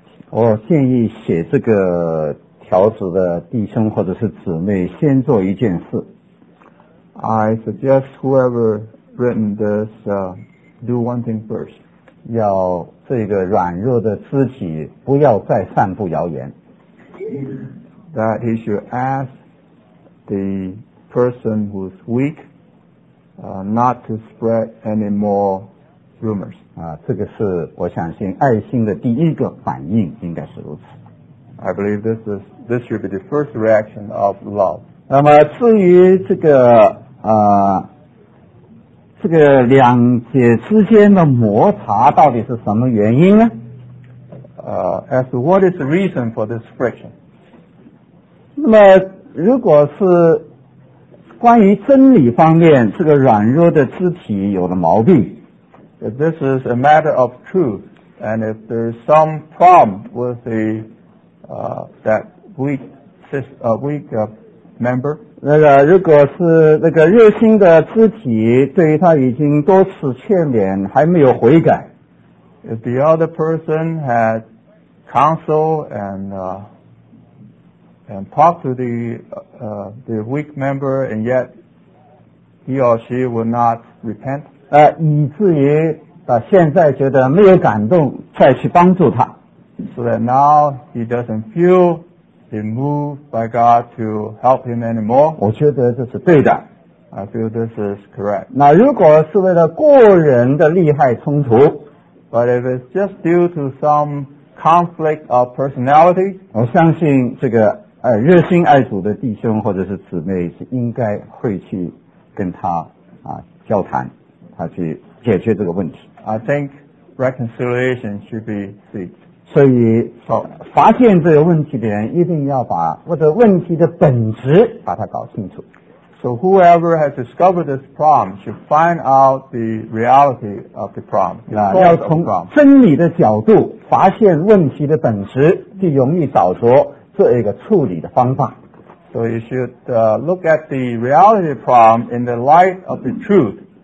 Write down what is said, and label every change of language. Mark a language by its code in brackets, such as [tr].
[zh] 我建议写这个条子的弟兄或者是姊妹先做一件事。 [en] I suggest whoever written this do one thing first. [zh] 要这个软弱的肢体不要再散布谣言。 [en] That he should ask the person who's weak not to spread any more rumors. [zh] 啊，这个是我相信爱心的第一个反应，应该是如此。 [en] I believe this should be the first reaction of love. [zh] 那么至于这个这个两姐之间的摩擦到底是什么原因呢？ [en] As to what is the reason for this friction? [zh] 那么如果是关于真理方面，这个软弱的肢体有了毛病。 [en] If this is a matter of truth, and if there is some problem with the, that weak, weak member. [zh] 那个如果是那个热心的肢体对于他已经多次劝勉还没有悔改。 [en] If the other person had counsel and talk to the weak member, and yet he or she will not repent. [zh] 以至于现在觉得没有感动再去帮助他。 [en] So that now he doesn't feel the move by God to help him anymore. [zh] 我觉得这是对的。 [en] I feel this is correct. [zh] 那如果是为了个人的利害冲突。 [en] But if it's just due to some conflict of personality. [zh] 我相信这个热心爱主的弟兄或者是姊妹是应该会去跟他交谈，他去解决这个问题。 [en] I think reconciliation should be seeked. [zh] 所以发现这个问题的人一定要把或者问题的本质把它搞清楚。 [en] So whoever has discovered this problem should find out the reality of the problem. [zh] 要从真理的角度发现问题的本质，就容易找着这一个处理的方法。 [en] So you should look at the reality problem in the light of the truth,